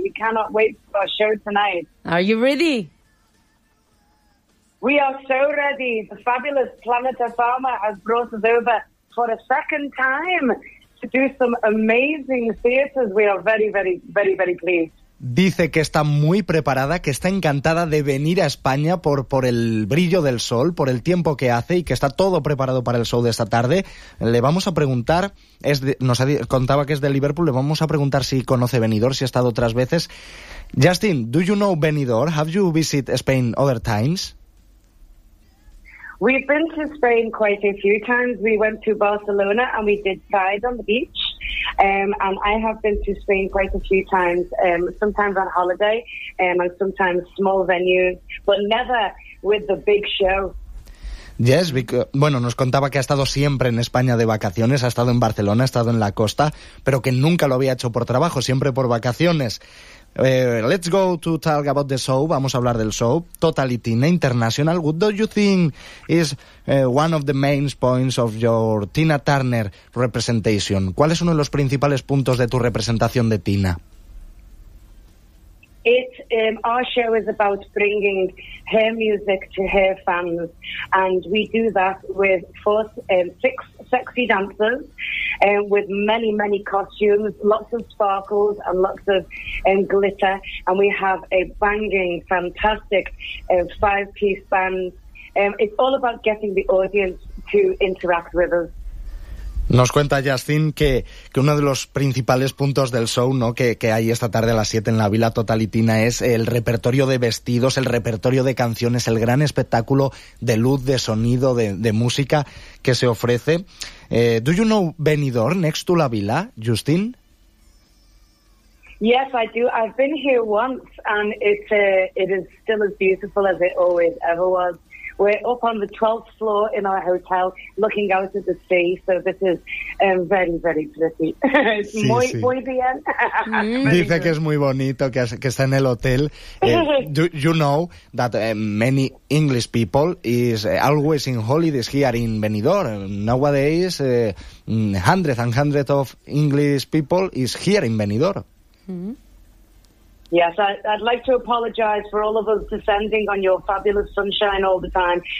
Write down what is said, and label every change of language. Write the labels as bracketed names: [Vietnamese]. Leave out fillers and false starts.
[English] We cannot wait for our show tonight. Are you ready? We are so ready. The fabulous Planeta Pharma has brought us over for a second time to do some amazing theatres. We are very, very, very, very pleased. [Spanish] Dice que está muy preparada, que está encantada de venir a España por el brillo del sol, por el tiempo que hace y que está todo preparado para el show de esta tarde. Le vamos a preguntar, contaba que es de Liverpool, le vamos a preguntar si conoce Benidorm, si ha estado otras veces. [English] Justin, do you know Benidorm? Have you visited Spain other times? We've been to Spain quite a few times. We went to Barcelona and we did Pride on the beach. And I have been to Spain quite a few times, sometimes on holiday, and sometimes small venues, but never with the big show. Yes, because, [Spanish] bueno, nos contaba que ha estado siempre en España de vacaciones, ha estado en Barcelona, ha estado en la costa, pero que nunca lo había hecho por trabajo, siempre por vacaciones. [English] Let's go to talk about the show. [Spanish] Vamos a hablar del show. [English] Totally Teen International. What do you think is one of the main points of your Tina Turner representation? [Spanish] ¿Cuál es uno de los principales puntos de tu representación de Tina? [English] Our show is about bringing her music to her fans, and we do that with six sexy dancers, with many, many costumes, lots of sparkles and lots of glitter, and we have a banging, fantastic five-piece band. It's all about getting the audience to interact with us. [Spanish] Nos cuenta Justin que uno de los principales puntos del show, ¿no?, que hay esta tarde a las 7 en la Vila Totalitina es el repertorio de vestidos, el repertorio de canciones, el gran espectáculo de luz, de sonido, de música que se ofrece. [English] Do you know Benidorm next to la Vila, Justin? Yes, I do. I've been here once and it is still as beautiful as it always ever was. We're up on the 12th floor in our hotel, looking out at the sea, so this is very, very pretty. It's [Spanish] sí, muy, sí. Muy bien. Dice que es muy bonito, que está en el hotel. [English] You know that many English people is always in holidays here in Benidorm. Nowadays, hundreds and hundreds of English people is here in Benidorm. Mm-hmm. Yes, I'd like to apologize for all of us descending on your fabulous sunshine all the time.